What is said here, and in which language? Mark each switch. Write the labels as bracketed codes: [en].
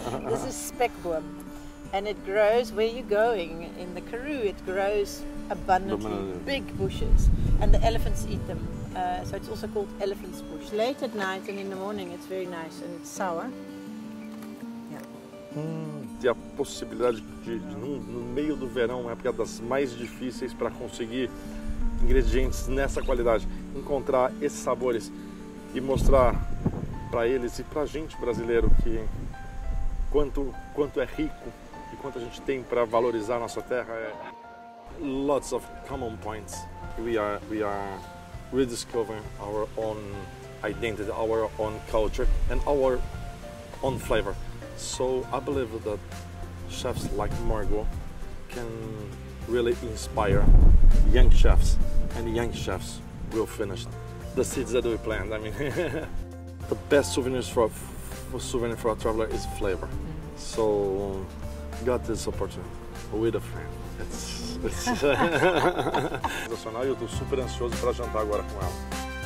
[en] This is spekboom. And it grows, where you're going, in the Karoo, it grows abundantly, big bushes. And the elephants eat them. So it's also called elephant's bush. Late at night and in the morning, it's very nice and it's sour. [pt] Ter a possibilidade de no meio do verão, uma época das mais difíceis para conseguir ingredientes nessa qualidade, encontrar esses sabores e mostrar para eles e para a gente brasileiro que quanto é rico e quanto a gente tem para valorizar a nossa terra. [en] Lots of common points. We are rediscovering our own identity, our own culture and our own flavor. So I believe that chefs like Margot can really inspire young chefs, and young chefs will finish the seeds that we planted. I mean, the best souvenirs for a traveler is flavor. So got this opportunity with a friend. [pt] Sensacional! Eu estou super ansioso para jantar agora com ela.